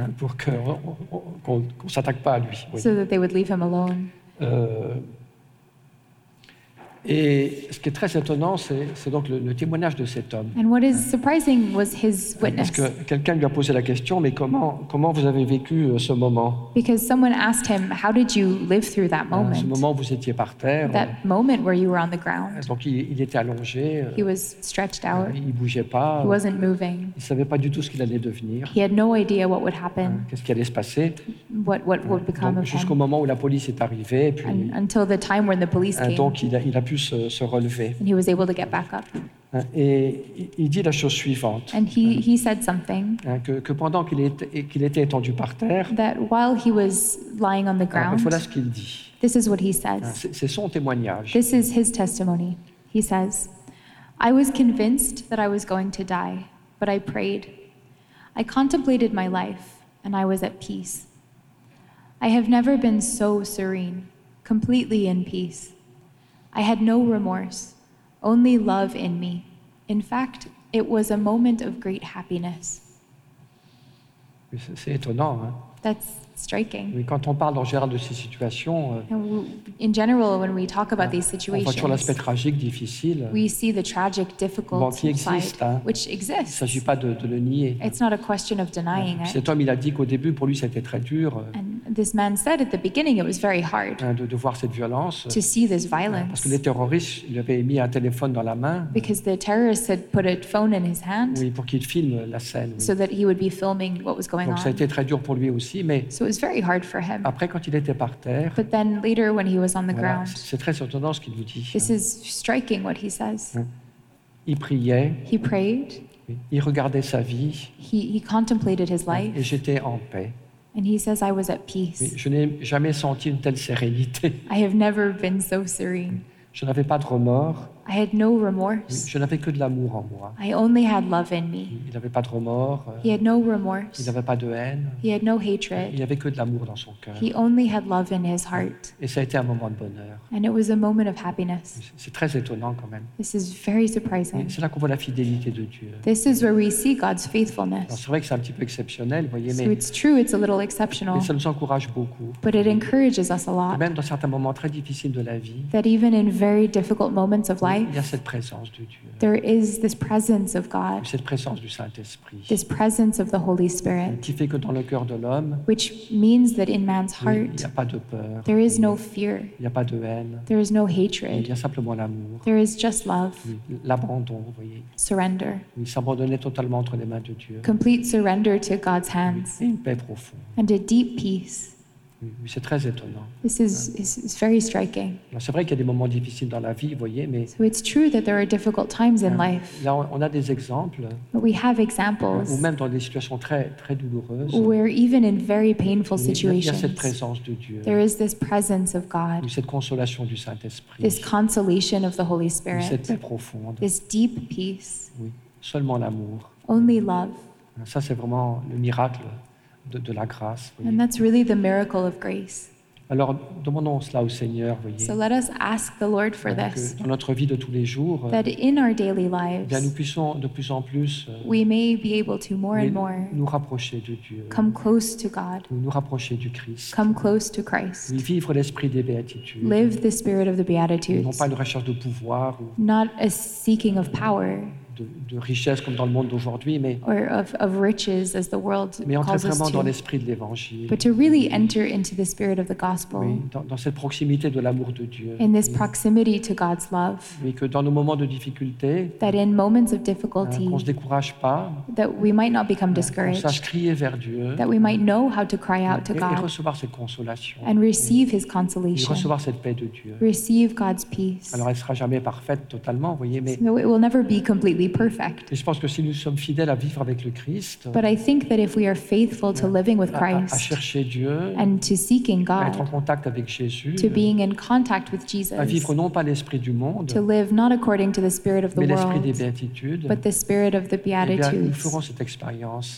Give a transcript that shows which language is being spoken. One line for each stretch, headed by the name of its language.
French: Pour qu'on s'attaque pas à lui. Oui.
English: So that they would leave him alone.
French: Et ce qui est très étonnant, c'est donc le témoignage de cet homme.
English: And what is surprising was his witness.
French: Parce que quelqu'un lui a posé la question, mais comment vous avez vécu ce moment?
English: Because someone asked him, how did you live through that moment?
French: Ce moment où vous étiez par terre.
English: That moment where you were on the ground.
French: Donc il était allongé.
English: He was stretched out.
French: Il bougeait pas.
English: He wasn't moving.
French: Il savait pas du tout ce qu'il allait devenir.
English: He had no idea what would happen.
French: Qu'est-ce qui allait se passer?
English: What would become of him?
French: Jusqu'au moment où la police est arrivée, puis.
English: And until the time when the police came.
French: Donc il a pu se relever.
English: And he was able to get back up.
French: Et il dit la chose suivante.
English: And he said something.
French: Que pendant qu'il était étendu par terre.
English: That while he was lying on the ground.
French: Voilà ce qu'il dit.
English: This is what he says.
French: C'est son témoignage.
English: This is his testimony. He says, I was convinced that I was going to die, but I prayed. I contemplated my life, and I was at peace. I have never been so serene, completely in peace. I had no remorse, only love in me. In fact, it was a moment of great happiness.
French: C'est étonnant, hein?
English: That's striking.
French: Oui, quand on parle en général de ces situations,
English: in general, when we talk about these situations,
French: on voit toujours l'aspect tragique, difficile.
English: We see the tragic, difficult
French: bon, qui existe,
English: side,
French: hein?
English: Which exists.
French: Il ne s'agit pas de le nier.
English: It's not a question of denying it.
French: Cet homme, il a dit qu'au début, pour lui, c'était très dur.
English: And This man said at the beginning it was very hard
French: de voir cette violence,
English: to see this violence.
French: Parce que les terroristes lui avaient mis un téléphone dans la main,
English: because the terrorists had put a phone in his hand
French: oui, pour qu'il filme la scène, oui.
English: So that he would be filming what was going
French: Donc,
English: on.
French: Ça a été très dur pour lui aussi, mais
English: so it was very hard for him.
French: Après, quand il était par terre,
English: but then later when he was on the voilà, ground,
French: c'est très surprenant ce qu'il vous dit.
English: This is striking what he says.
French: Il priait.
English: He prayed.
French: Il regardait sa vie.
English: He contemplated his life.
French: Et j'étais en paix.
English: And he says, I was at peace.
French: Oui, je n'ai jamais senti une telle sérénité.
English: I have never been so serene.
French: Je n'avais pas de remords.
English: I had no remorse.
French: Je n'avais que de l'amour en moi.
English: I only had love in me.
French: Il n'avait pas de remords.
English: He had no remorse.
French: Il n'avait pas de haine.
English: He had no hatred.
French: Il n'avait que de l'amour dans son cœur.
English: He only had love in his heart.
French: Et ça a été un moment de bonheur.
English: And it was a moment of happiness.
French: C'est très étonnant quand même.
English: This is very surprising.
French: C'est là qu'on voit la fidélité de Dieu.
English: This is where we see God's faithfulness.
French: Alors, c'est vrai que c'est un petit peu exceptionnel, voyez,
English: so
French: mais
English: it's true, it's a little exceptional.
French: Mais ça nous encourage beaucoup.
English: But it encourages us a lot.
French: Et même dans certains moments très difficiles de la vie.
English: That even in very difficult moments of life,
French: il y a cette présence de Dieu.
English: There is this presence of God.
French: Cette présence du Saint-Esprit.
English: This presence of the Holy Spirit.
French: Qui fait que dans le cœur de l'homme,
English: which means that in man's heart,
French: il n'y a pas de peur.
English: There is no fear.
French: Il n'y a pas de haine.
English: There is no hatred.
French: Il y a simplement l'amour.
English: There is just love.
French: L'abandon, vous voyez.
English: Surrender.
French: Il s'abandonnait totalement entre les mains de Dieu.
English: Complete surrender to God's hands.
French: Et une paix profonde.
English: And a deep peace.
French: Oui, c'est très étonnant.
English: This is very striking.
French: C'est vrai qu'il y a des moments difficiles dans la vie, vous voyez, mais
English: so it's true that there are difficult times in life.
French: Là, on a des exemples.
English: But we have examples.
French: Ou même dans des situations très très douloureuses.
English: Where even in very painful situations.
French: Il y a cette présence de Dieu.
English: There is this presence of God.
French: Cette consolation du Saint-Esprit.
English: This consolation of the Holy Spirit.
French: Cette paix profonde.
English: This deep peace.
French: Oui, seulement l'amour.
English: Only love.
French: Ça, c'est vraiment le miracle. De la grâce,
English: oui. And that's really the miracle of grace.
French: Alors, demandons cela au Seigneur, voyez.
English: So let us ask the Lord for this.
French: Dans notre vie de tous les jours,
English: that in our daily lives,
French: bien, nous puissions de plus en plus,
English: we may be able to more and more
French: nous rapprocher de Dieu,
English: come close to God,
French: nous rapprocher du Christ,
English: come close to Christ,
French: vivre l'esprit des béatitudes,
English: live the spirit of the beatitudes,
French: non pas une recherche de pouvoir,
English: not a seeking of power.
French: De richesses comme dans le monde d'aujourd'hui, mais
English: of riches, as the world
French: mais entrer vraiment
English: to,
French: dans l'esprit de l'évangile,
English: but to really enter into the spirit of the gospel,
French: oui, dans cette proximité de l'amour de Dieu,
English: in this proximity to God's love,
French: mais que dans nos moments de difficulté,
English: that in moments of difficulty,
French: qu'on se décourage pas,
English: that we might not become discouraged,
French: qu'on sache crier vers Dieu,
English: that we might know how to cry out to God,
French: et recevoir cette consolation,
English: and receive His consolation,
French: et recevoir cette paix de Dieu,
English: receive God's peace.
French: Alors, elle sera jamais parfaite totalement, voyez, mais
English: so it will never be completely perfect.
French: Et je pense que si nous sommes fidèles à vivre avec le Christ,
English: but I think that if we are faithful to living with Christ,
French: à chercher Dieu,
English: and to seeking God,
French: à être en contact avec Jésus,
English: to being in contact with Jesus,
French: à vivre non pas l'esprit du monde,
English: to live not according to the spirit of the
French: mais
English: world,
French: mais l'esprit des béatitudes,
English: but the spirit of the beatitudes,
French: eh bien, nous ferons cette expérience,